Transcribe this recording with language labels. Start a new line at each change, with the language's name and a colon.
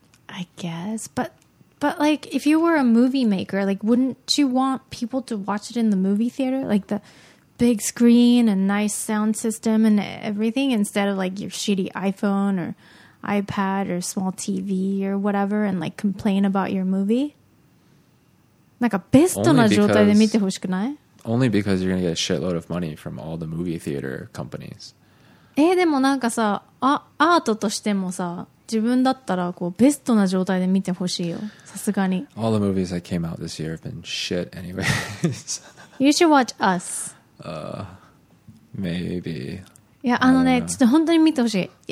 English: I guess, but like if you were a movie maker, like wouldn't you want people to watch it in the movie theater, like the big screen and nice sound system and everything instead of like your shitty iPhone or iPad or small TV or whatever and like complain about your movie?
Japanese: なんかベストな状態で見てほしくない?
English: Only because you're going to get a shitload of money from all the movie theater companies.
Japanese: でもなんかさ、アートとしてもさ、自分だったらこうベストな状態で見てほしいよ。さすがに。
English: All the movies that came out this year have been shit anyways. You should watch Us. Maybe.
Japanese: いや、あのね、ちょっと本当に見てほしい。